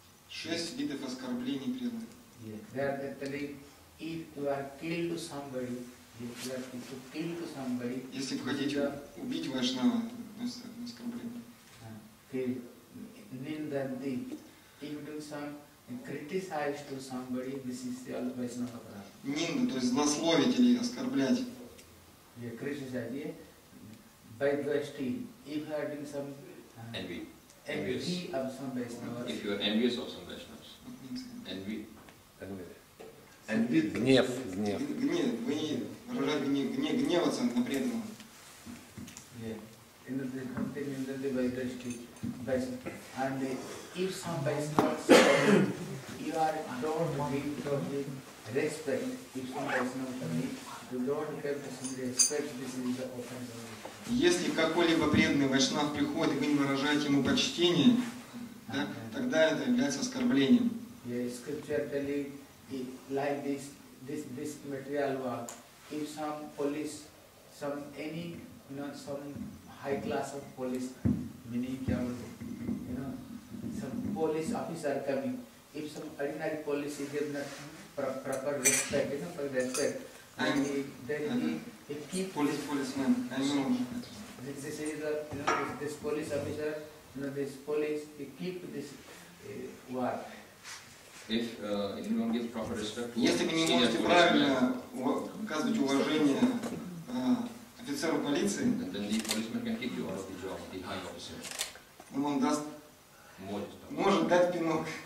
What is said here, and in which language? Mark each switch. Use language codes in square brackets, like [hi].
[ru] Шесть видов оскорблений преданных. Если вы хотите убить вашего, это оскорбление. [sa] Nindandi. [en] If you do some criticize to somebody, this is the all Vaishnava Prasad. [ru] Нинда, то есть злословить или оскорблять. [en] Yeah, criticize, yeah. By dvasti, if you are doing some envy. Envious. Envy of some Vaishnavas. If you are envious of some Vaishnavas. Envy. Envy. [ru] Гнев. Гнев. Гнев. Вы не выражать гнев. Гнев. Гневаться на преданного. [en] Yeah. Nindandi by dvasti. And if some Vaishnavas you are don't give to him respect, if some Vaishnavas come to you don't give to him respect, this is the offense. [ru] Если какой-либо преданный Вайшнав приходит, вы не выражаете ему почтение, да, тогда это является оскорблением. [en] Yes, scripture tells you like this, this material work. If some police, some any, you know, some high class of police, meaning, you know, some police officer coming. If some ordinary police is given proper respect, you know, for respect, then he keep policeman. This is the, you know, this police officer, you know, this police, he keep this work. If you don't give proper respect, [ru] если вы не можете правильно оказывать уважение офицеру полиции, [en] then the policeman can keep you out of the job, the high officer. [ru] Он даст, может дать пинок.